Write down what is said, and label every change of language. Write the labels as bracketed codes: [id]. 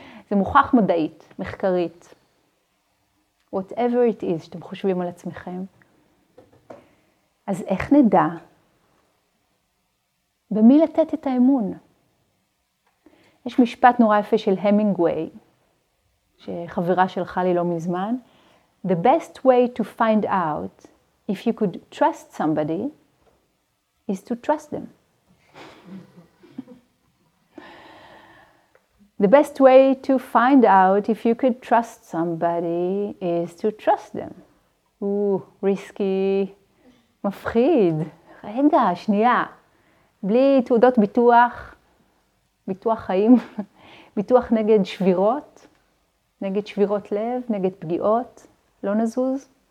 [he] זה מוכח מדעית, מחקרית. [en] Whatever it is [he] שאתם חושבים על עצמכם. אז איך נדע? במי לתת את האמון? יש משפט נורא יפה של המינגווי, שחברה שלך לי לא מזמן. [en] The best way to find out if you could trust somebody is to trust them. The best way to find out if you could trust somebody is to trust them. Ooh, risky, [he] מפחיד. רגע, שנייה. בלי תעודות ביטוח, ביטוח חיים, ביטוח נגד שבירות, נגד שבירות לב, נגד פגיעות, לא נזוז.